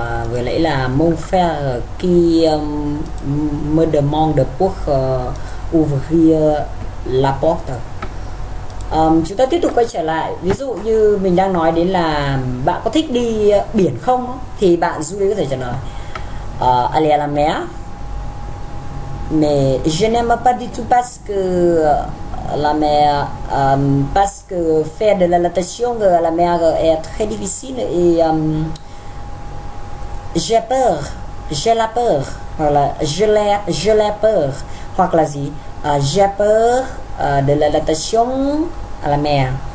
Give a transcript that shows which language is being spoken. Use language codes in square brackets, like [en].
[vi] Vừa nãy là [fr] mon frère qui me demande de pour ouvrir la porte. [vi] Chúng ta tiếp tục quay trở lại. Ví dụ như mình đang nói đến là bạn có thích đi biển không? Thì bạn Julie có thể trả lời [fr] aller à la mer. Mais je n'aime pas du tout parce que la mer, parce que faire de la natation à la mer est très difficile et j'ai peur, j'ai la peur, voilà, je l'ai peur, [vi] hoặc là gì, [fr] j'ai peur de la natation à la mer.